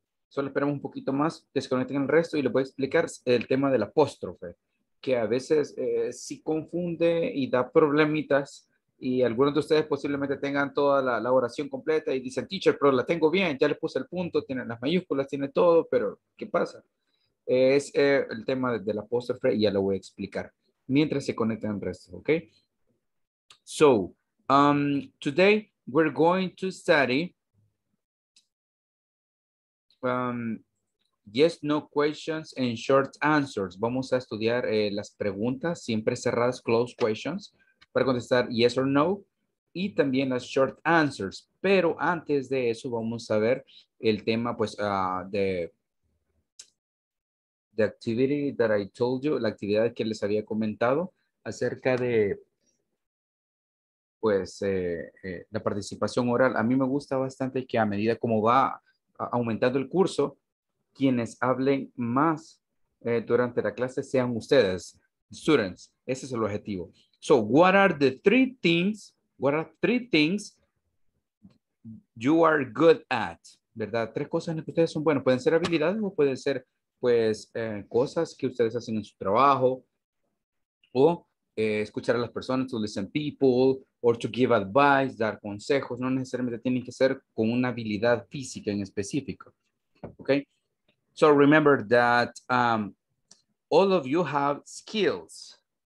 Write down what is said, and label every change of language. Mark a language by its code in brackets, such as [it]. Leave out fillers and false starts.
[es] Solo esperamos un poquito más que se conecten el resto y les voy a explicar el tema del apóstrofe, que a veces sí confunde y da problemitas, y algunos de ustedes posiblemente tengan toda la oración completa y dicen, teacher, pero la tengo bien, ya le puse el punto, tiene las mayúsculas, tiene todo, pero ¿qué pasa? Es el tema del apóstrofe y ya lo voy a explicar mientras se conectan el resto, ¿ok? [en] So, today we're going to study yes, no questions and short answers. [es] Vamos a estudiar las preguntas siempre cerradas, [en] closed questions, [es] para contestar [en] yes or no [es] y también las short answers. Pero antes de eso, vamos a ver el tema, pues, [en] the activity that I told you, [es] la actividad que les había comentado acerca de, pues, la participación oral. A mí me gusta bastante que a medida como va aumentando el curso, quienes hablen más durante la clase sean ustedes, students. Ese es el objetivo. [en] So, what are the three things? What are three things you are good at? [es] ¿Verdad? Tres cosas en que ustedes son buenos. Pueden ser habilidades o pueden ser, pues, cosas que ustedes hacen en su trabajo o escuchar a las personas, [en] to listen people, or to give advice, [es] dar consejos. No necesariamente tienen que ser con una habilidad física en específico. ¿Ok? [en] So remember that all of you have skills.